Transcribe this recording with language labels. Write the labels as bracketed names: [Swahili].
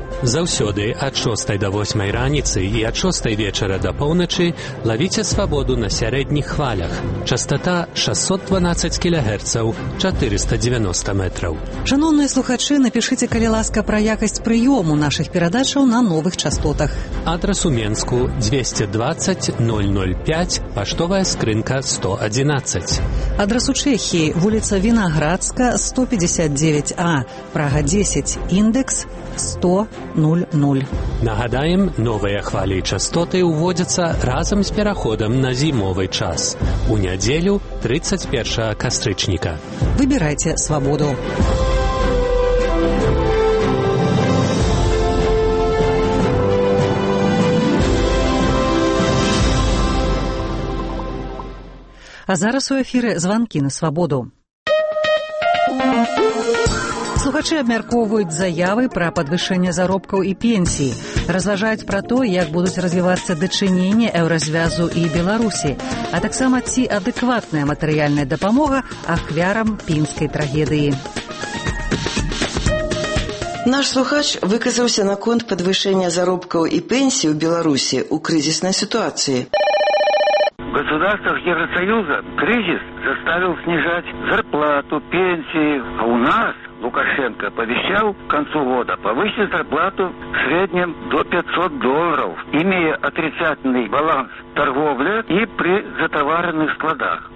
[Belarusian] Заўсёды ад 6 да 8 раніцы і ад 6 вечара да поўначы лавіце свабоду на сярэдніх хвалях. Частата 612 кілегерцаў, 490 метраў. Шаноўныя слухачы, напішыце, калі ласка, пра якасць прыёму нашых перадачаў на новых частотах. Адрас у Менску 220-005, паштовая скрынка 111. Адрас у Чэхіі, вуліца Вінаградска, 159А, Прага 10, індэкс 100-00. Нагадаем, новыя хвалі і частоты ўводзяцца разам з пераходам на зімовы час. У нядзелю 31 кастрычніка. Выбірайце свабоду. А зараз у эфіры званкі на свабоду. Слухачы абмяркоўваюць заявы пра падвышэнне заробкаў і пенсій, разважаюць пра то, як будуць развівацца дачыненні Еўразвязу і Беларусі, а таксама ці адэкватная матэрыяльная дапамога ахвярам пінскай трагедыі. Наш слухач выказаўся наконт падвышэння заробкаў і пенсій у Беларусі ў крызіснай сітуацыі. [Russian] В государствах Евросоюза кризис заставил снижать зарплату, пенсии. А у нас Лукашенко пообещал к концу года повысить зарплату в среднем до $500, имея отрицательный баланс торговли и при затоваренных складах.